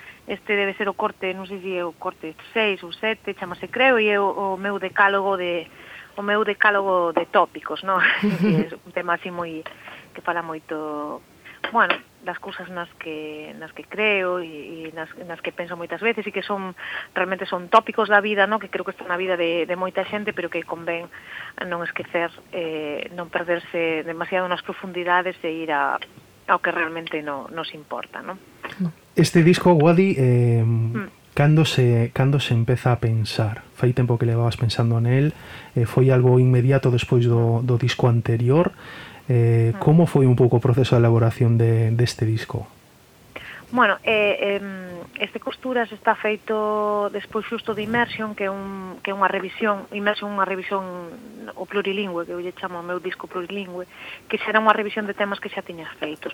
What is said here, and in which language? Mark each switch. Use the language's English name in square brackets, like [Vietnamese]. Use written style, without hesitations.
[Galician] Este debe ser o corte, non sei se é o corte 6 ou 7, chamase Creo, e é o meu decálogo de tópicos, ¿no? É un tema así moi que fala moito, bueno, das cousas nas que creo e nas que penso moitas veces e que son realmente son tópicos da vida, ¿no? Que creo que está na vida de moita xente, pero que convén non esquecer, non perderse demasiado nas profundidades e ir ao que realmente nos importa, ¿no? Este disco, Wadi, cando se empeza a pensar? Fai tempo que levabas pensando nel? Foi algo inmediato despois do disco anterior? [Spanish] ¿Cómo fue un poco el proceso de elaboración de este disco? [Galician] Bueno, este Costuras está feito despois xusto de Immersion, que é unha revisión, Immersion é unha revisión o plurilingüe, que eu lle chamo o meu disco plurilingüe, que xera unha revisión de temas que xa tiñas feitos.